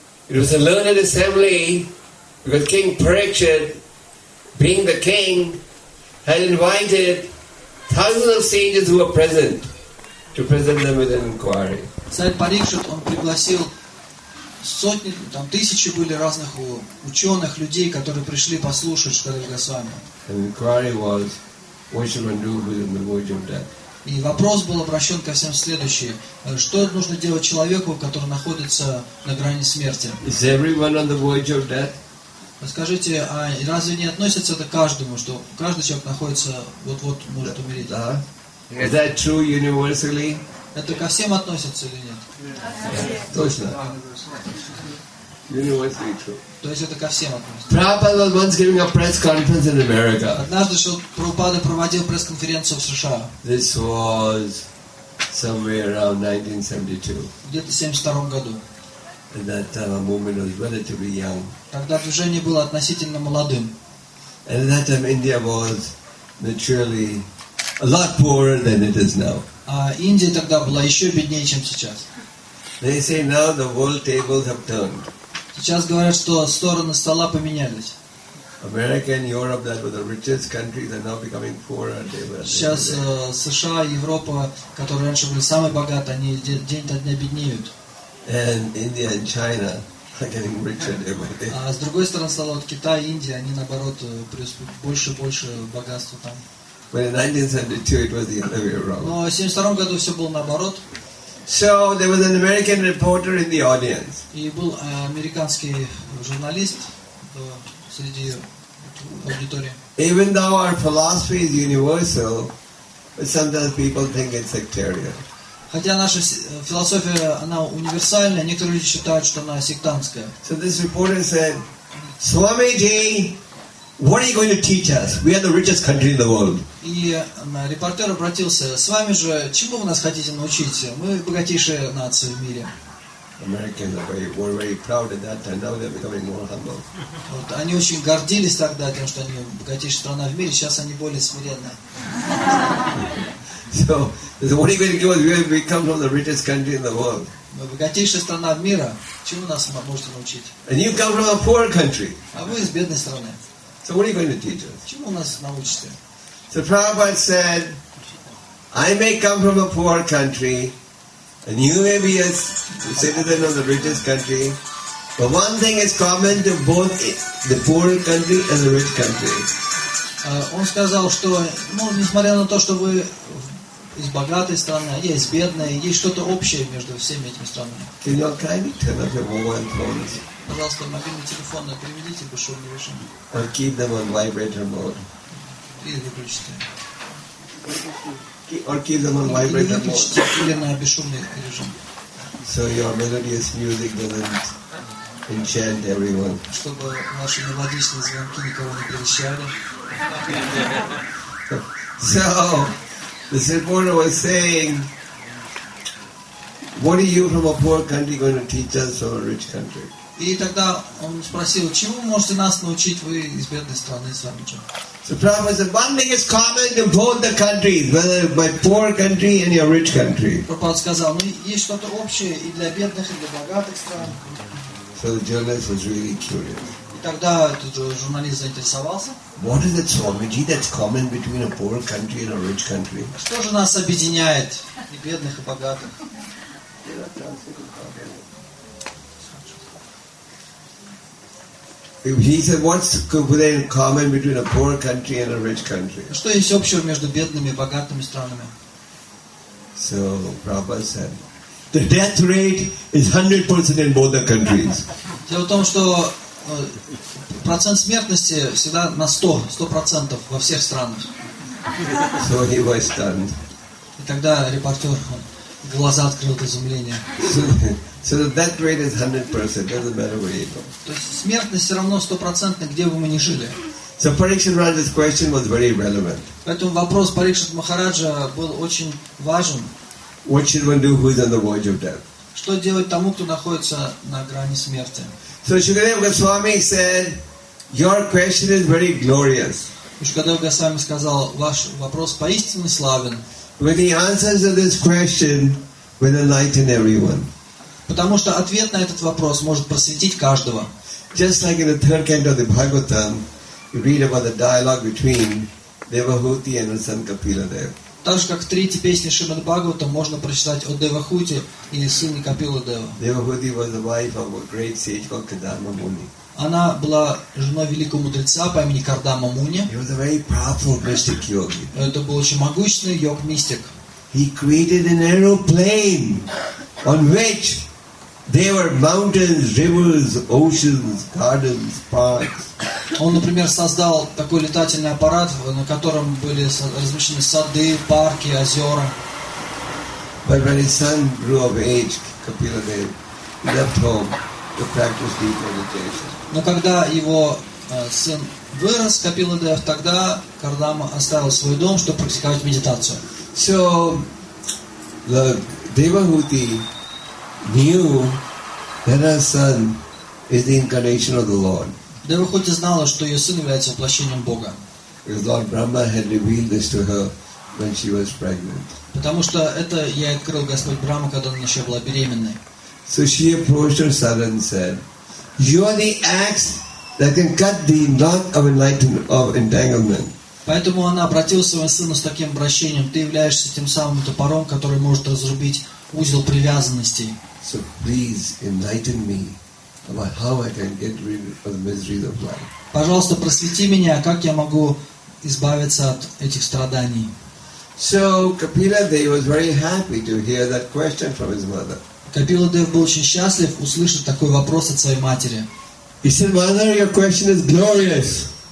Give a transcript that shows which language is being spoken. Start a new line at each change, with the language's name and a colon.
English: It was a learned assembly because King Parikshit, being the king, had invited thousands of sages who were present to present them with an inquiry.
Russian: Царь Парикшит, он пригласил сотни, там тысячи были разных ученых, людей, которые пришли послушать Шукадева Госвами.
English: And the inquiry was, what should one do with the verge of death?
Russian: И вопрос был обращен ко всем следующий. Что нужно делать человеку, который находится на грани смерти?
English: Is everyone on the verge of death?
Russian: Скажите, а разве не относится это к каждому, что каждый человек находится, вот-вот может умереть? Да.
English: Is that true universally?
Russian: Это ко всем относится или нет? Точно.
English: Universally true.
Russian: То есть это ко всем относится.
English: Prabhupada was once giving a press conference in America.
Russian: Однажды Прабхупада проводил пресс-конференцию в США.
English: This was somewhere around 1972.
Russian: Где-то в 72 году.
English: And that time a movement was relatively young.
Russian: Тогда движение было относительно молодым.
English: And at that time India was naturally a lot poorer than it is now.
Russian: А Индия тогда была еще беднее, чем сейчас.
English: They say now the world tables have turned.
Russian: Сейчас говорят, что стороны стола поменялись.
English: America and Europe, that were the richest countries, are now becoming poorer.
Russian: Сейчас США и Европа, которые раньше были самые богатые, они день от дня беднеют.
English: And India and China are getting richer every day.
Russian: А с другой стороны стола, вот Китай и Индия, они наоборот больше и больше богатства там.
English: But in 1972, it was the other way around.
Russian: Но в 72 году все было наоборот.
English: So there was an American reporter in the audience.
Russian: И был американский журналист среди аудитории.
English: Even though our philosophy is universal, but sometimes people think it's sectarian.
Russian: Хотя наша философия она универсальная, некоторые люди считают, что она сектантская.
English: So this reporter said, Swamiji, what are you going to teach us? We are the richest country in the world.
Russian: И репортер обратился: с вами же, чему вы нас хотите научить? Мы богатейшая нация в мире.
English: Americans were very proud at that time. Now they're becoming more humble.
Russian: Вот, они очень гордились тогда тем, что они богатейшая страна в мире. Сейчас они более смиренные.
English: So, what are you going to give us? We have become from the richest country in the world.
Russian: Мы богатейшая страна в мире. Чему нас можете научить?
English: And you come from a poor country.
Russian: А вы из бедной страны.
English: So what are you going to teach us?
Russian: Чему нас научите?
English: So Prabhupada said, I may come from a poor country, and you may be a citizen of the richest country, but one thing is common to both the poor country and the rich country.
Russian: Он сказал, что, ну, несмотря на то, что вы из богатой страны, а я из бедной, есть что-то общее между всеми этими странами.
English: Can you kindly turn off your mobile phones?
Russian: Пожалуйста, мобильный телефон приведите к шумному режиму.
English: Or keep them on vibrator mode.
Russian: И выключите.
English: Or keep them on vibrator mode.
Russian: Или выключите, или на бесшумный режим.
English: So your melodious music doesn't enchant everyone.
Russian: Чтобы ваши мелодичные звонки никого не прельщали.
English: So, this reporter was saying, what are you from a poor country going to teach us from a rich country?
Russian: И тогда он спросил, чему можете нас научить вы из бедной страны, с вами что?
English: So Prabhupada said, one thing is common to both the countries, whether by poor country and your rich country.
Russian: Прабхупада сказал, ну есть что-то общее и для бедных, и для богатых стран.
English: So the journalist was really curious.
Russian: И тогда этот журналист заинтересовался.
English: What is it, Swamiji, that's common between a poor country and a rich country?
Russian: Что же нас объединяет, и бедных, и богатых?
English: He said, "What's there in common between a poor country and a rich country?"
Russian: Что есть общего между бедными и богатыми странами?
English: So Prabhupada said, "The death rate is 100% in both the countries."
Russian: Дело в том, что процент смертности всегда на 100% во всех странах.
English: So he was stunned.
Russian: И тогда репортер глаза открыл от изумления.
English: So the death rate is 100%. Doesn't matter where you go.
Russian: То есть смертность все равно 100%, где бы мы ни жили.
English: So Parikshit Maharaj's question was very relevant.
Russian: Поэтому вопрос Парикшит Махараджа был очень важен.
English: What should one do who is on the verge of death?
Russian: Что делать тому, кто находится на грани смерти?
English: So Shukadeva Goswami said, "Your question is very glorious."
Russian: Шукадева Госвами сказал, ваш вопрос поистине славен.
English: When he answers to this question, will enlighten everyone.
Russian: Потому что ответ на этот вопрос может просветить каждого.
English: Just like in the third canto of the Bhagavatam, you read about the dialogue between Devahuti and Sant Kapila Dev.
Russian: Так же, как в третьей песне Шримад Бхагаватам можно прочитать о Девахуте и сыне Капила Дева.
English: Devahuti was the wife of a great sage called Kardama Muni.
Russian: Она была женой великого мудреца по имени Кардама Муни.
English: He was a very powerful mystic yogi.
Russian: Это был очень могущественный йог-мистик.
English: He created an aeroplane on which there were mountains, rivers, oceans, gardens, parks.
Russian: Он, например, создал такой летательный аппарат, на котором были размещены сады, парки, озера.
English: But when his son grew of age, Kapila Dev left home to practice deep meditation.
Russian: Но когда его сын вырос, Капила Дев, тогда Кардама оставил свой дом, чтобы практиковать медитацию.
English: So the Devahuti knew that her son is the incarnation of the Lord.
Russian: Девахути знала, что ее сын является воплощением Бога.
English: Lord Brahma had revealed this to her when she was pregnant.
Russian: Потому что это ей открыл Господь Брама, когда она еще была беременной.
English: So she approached her son and said, "You are the axe that can cut the knot of enlightenment of entanglement."
Russian: Поэтому она обратилась к своему сыну с таким обращением: "Ты являешься тем самым топором, который может разрубить узел привязанности."
English: So please enlighten me about how I can get rid of the miseries of life.
Russian: Пожалуйста, просвети меня, как я могу избавиться от этих страданий.
English: So Kapila Dev was very happy to hear that question from his mother.
Russian: Kapila Dev был очень счастлив услышать такой вопрос от своей матери.
English: He said, "Mother, your question is glorious."